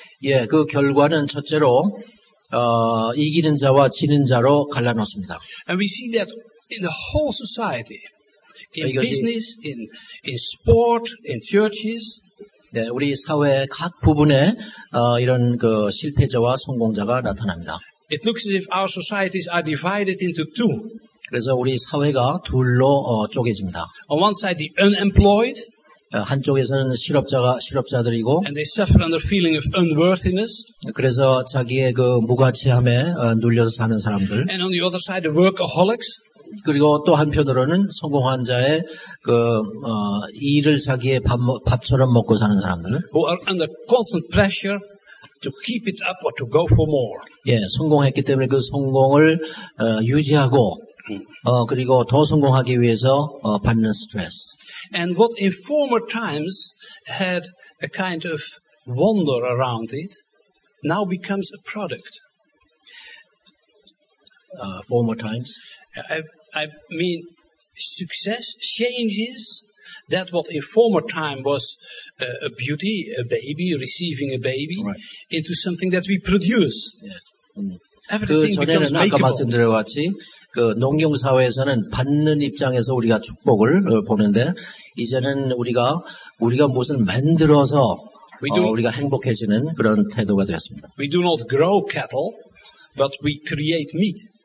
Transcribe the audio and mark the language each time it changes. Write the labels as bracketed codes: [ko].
[ko] 예, 그 결과는 첫째로 이기는 자와 지는 자로 갈라놓습니다. [en] And we see that in the whole society, in business, in sport, in churches. [ko] 네, 우리 사회 각 부분에 이런 그 실패자와 성공자가 나타납니다. [en] It looks as if our societies are divided into two. [ko] 그래서 우리 사회가 둘로 쪼개집니다. [en] On one side, the unemployed. [ko] 한쪽에서는 실업자들이고. [en] And they suffer under feeling of unworthiness. [ko] 그래서 자기의 그 무가치함에 눌려서 사는 사람들. [en] And on the other side, the workaholics. [ko] 그리고 또 한편으로는 성공한 자의 그 일을 자기의 밥처럼 먹고 사는 사람들. [en] Who are under constant pressure to keep it up or to go for more. [ko] 예, 성공했기 때문에 그 성공을 유지하고 그리고 더 성공하기 위해서 받는 스트레스. [en] And what in former times had a kind of wonder around it now becomes a product. Former times. I mean, success changes that what in former time was a beauty, a baby, receiving a baby, right. into something that we produce. Yeah. Everything [ko] 그 전에는 [en] becomes [ko] 아까 말씀드렸듯이 그 농경 사회에서는 받는 입장에서 우리가 축복을 보는데 이제는 우리가 무슨 만들어서 우리가 행복해지는 그런 태도가 되었습니다. [en] We do not grow cattle, but we create meat.